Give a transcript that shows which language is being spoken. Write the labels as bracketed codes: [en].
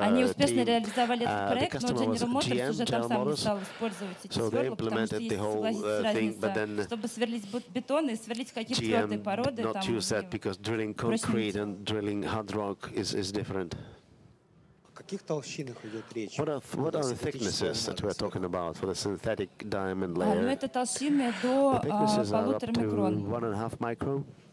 [ru] Они успешно реализовали этот проект, но General Motors уже там сам не стал использовать эти сверла, потому что есть, согласитесь, разница, чтобы сверлить бетон и сверлить какие-то твердые породы. О каких толщинах идет речь? [en] What are the thicknesses that we're talking about for the synthetic diamond layer? [ru] Ну, это толщины до 1.5 микрон.